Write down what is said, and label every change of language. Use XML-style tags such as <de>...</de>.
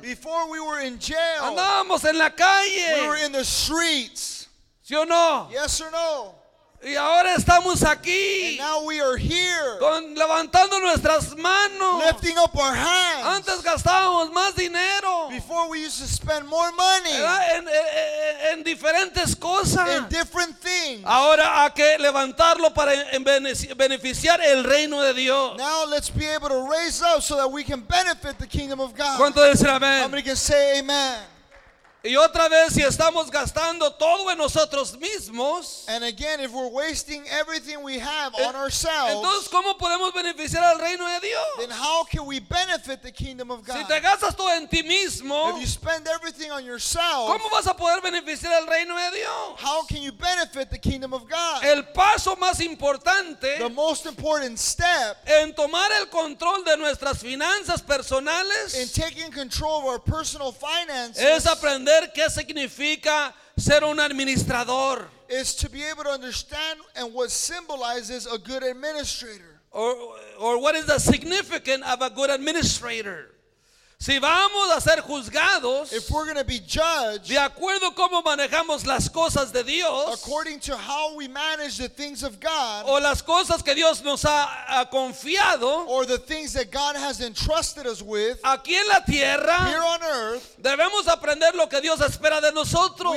<en>Before we were in jail.</en> <es>Andábamos en la calle.</es> <en>We were in the streets.</en> <es>¿Sí o no?</es> <en>Yes or no?</en> <es>Y ahora estamos aquí.</es> <en>And now we are here.</en> <es>Con, levantando nuestras manos.</es> <en>Lifting up our hands.</en> <es>Antes gastábamos más dinero.</es> <en>Before we used to spend more money.</en> <es>En diferentes cosas.</es> <en>In different things.</en> <es>Ahora hay que levantarlo para beneficiar el reino de Dios.</es> <en>Now let's be able to raise up so that we can benefit the kingdom of God.</en> <es>¿Cuánto dicen amén?</es> <en>Somebody can say amen.</en> <es>Y otra vez si estamos gastando todo en nosotros mismos.</es> <en>And again, if we're wasting everything we have on ourselves.</en> <es>Entonces, ¿cómo podemos beneficiar al reino de Dios?</es> <en>Then how can we benefit the kingdom of God?</en> <es>Si te gastas todo en ti mismo.</es> <en>If you spend everything on yourself.</en> <es>¿Cómo vas a poder beneficiar al reino de Dios?</es> <en>How can you benefit the kingdom of God?</en> <es>El paso más importante.</es> <en>The most important step.</en> <es>En tomar el control de nuestras finanzas personales.</es> <en>In taking control of our personal finances.</en> <es>Es aprender. Entender qué significa ser un administrador.</es> <en>Is to be able to understand and what symbolizes a good administrator. Or what is the significance of a good administrator?</en> <es>Si vamos a ser juzgados,</es> <en>if we're going to be judged,</en> <es>de acuerdo a cómo manejamos las cosas de Dios,</es> <en>according to how we manage the things of God,</en> <es>o las cosas que Dios nos ha confiado,</es> <en>or the things that God has entrusted us with,</en> <es>aquí en la tierra,</es> <en>here on earth,</en> <es>debemos aprender lo que Dios espera de nosotros.</es>